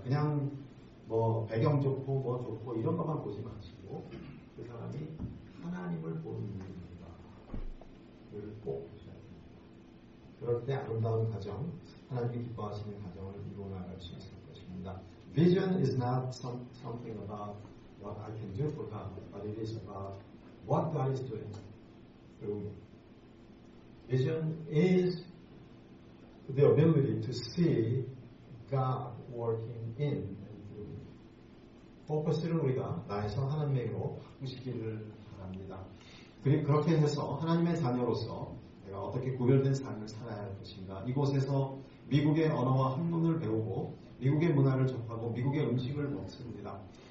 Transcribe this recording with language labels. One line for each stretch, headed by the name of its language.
Korean: 그냥 뭐 배경 좋고 뭐 좋고 이런 것만 보지 마시고 그 사람이 하나님을 보는 눈입니다를 꼭 보셔야 됩니다. 그럴 때 아름다운 가정, 하나님이 기뻐하시는 가정을 이루어 나갈 수 있을 것입니다.
English: Vision is not something about what I can do for God, but it is about what God is doing through me. Vision is the ability to see God working in and through me.
Korean: 포커스를 우리가 나에서 하나님에게로 바꾸시기를 바랍니다. 그리고 그렇게 해서 하나님의 자녀로서 내가 어떻게 구별된 삶을 살아야 할 것인가. 이곳에서 미국의 언어와 한문을 배우고 미국의 문화를 접하고 미국의 음식을 먹습니다.